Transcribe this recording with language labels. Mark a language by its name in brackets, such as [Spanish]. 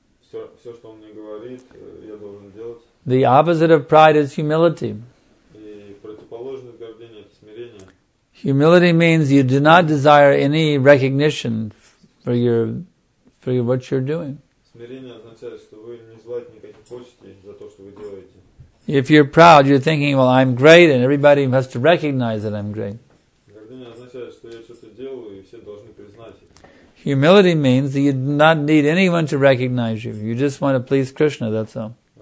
[Russian] Все, что он мне говорит, я должен делать. [English] The opposite of pride is humility. [Russian] И противоположность гордыни – это смирение. [English] Humility means you do not desire any recognition for what you're doing. [Russian] Смирение означает, что вы не желаете никаких почестей за то, что вы делаете. [English] If you're proud, you're thinking, well, I'm great, and everybody has to recognize that I'm great. [Russian] Гордыня означает, что я что-то делаю, и все должны признать это. [English] Humility means that you do not need anyone to recognize you. You just want to please Krishna, that's all.